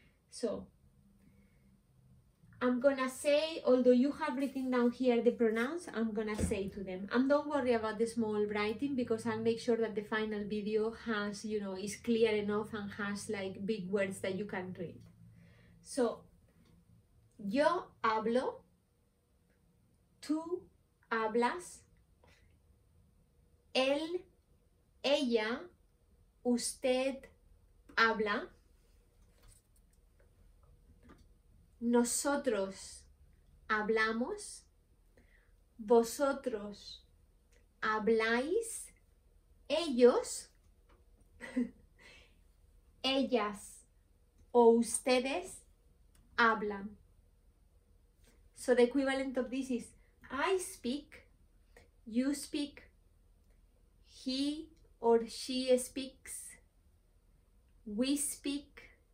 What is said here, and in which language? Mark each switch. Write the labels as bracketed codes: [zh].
[en] So, I'm gonna say, although you have written down here the pronouns, I'm gonna say to them. And don't worry about the small writing because I'll make sure that the final video has, you know, is clear enough and has like big words that you can read. [es] So, yo hablo, tú hablas, él, ella, usted habla. Nosotros hablamos, vosotros habláis, ellos, ellas o ustedes hablan. [en] So the equivalent of this is I speak, you speak, He or she speaks. We speak.